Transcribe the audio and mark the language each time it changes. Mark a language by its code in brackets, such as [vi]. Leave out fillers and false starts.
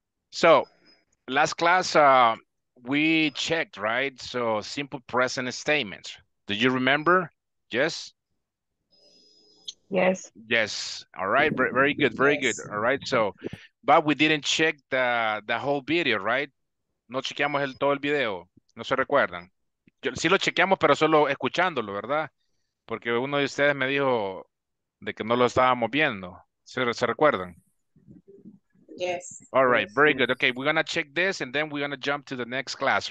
[en] So, last class, we checked, right? So, simple present statements. Do you remember? Yes? Yes. Yes. All right. Very good. Very good. All right. So, but we didn't check the whole video, right? [es] No chequeamos todo el video. No se recuerdan. Yo, sí lo chequeamos, pero solo escuchándolo, ¿verdad? Porque uno de ustedes me dijo de que no lo estábamos viendo. ¿Se recuerdan? [en] Yes. All right. Yes. Very good. Okay. We're going to check this and then we're going to jump to the next class.